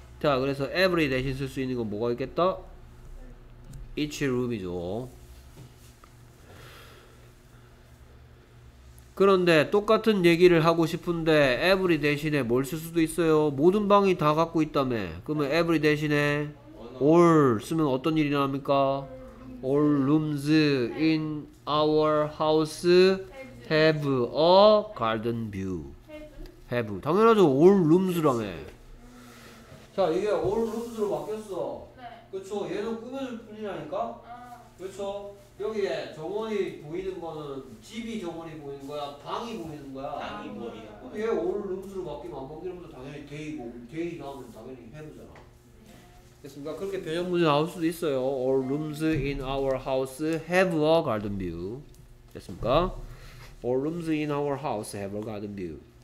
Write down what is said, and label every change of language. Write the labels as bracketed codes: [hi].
[ko] 자, 그래서 every 대신 쓸 수 있는 건 뭐가 있겠다? each room이죠. 그런데 똑같은 얘기를 하고 싶은데 every 대신에 뭘 쓸 수도 있어요? 모든 방이 다 갖고 있다며. 그러면 every 대신에 all 쓰면 어떤 일이 일어납니까? [en] all rooms in our house have a garden view. [ko] have 당연하죠. all rooms라며. 자, 이게 all rooms로 바뀌었어. 그쵸. 얘는 꾸며줄 뿐이라니까. 그쵸. 여기에 정원이 보이는 거는 집이 정원이 보이는 거야? 방이 보이는 거야? 방이 보이는 거야. 얘 올 룸즈로 바뀌면 안 바뀌면 당연히 데이고 데이 나오면 당연히 해보잖아. 됐습니까? 그렇게 변형문이 나올 수도 있어요. [en] All rooms in our house have a garden view. [ko] 됐습니까? [en] All rooms in our house have a garden view.